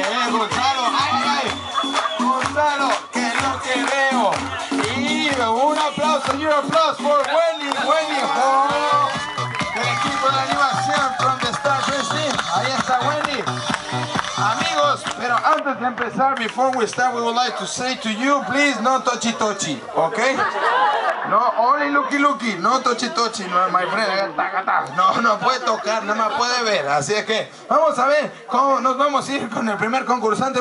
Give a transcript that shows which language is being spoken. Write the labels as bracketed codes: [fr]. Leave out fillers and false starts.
[es] Gonzalo, ay, ay, ay, Gonzalo, que es lo que veo. Y un aplauso, y un aplauso por Wendy, Wendy, oh, el equipo de animación [en] from the Star Racing. [es] Ahí está Wendy. Amigos, pero antes de empezar, [en] before we start, we would like to say to you, please, no touchy touchy, okay? No, only looky looky, no touchy touchy, no, my friend. [es] No, no puede tocar, nada más puede ver. Así es que vamos a ver cómo nos vamos a ir con el primer concursante.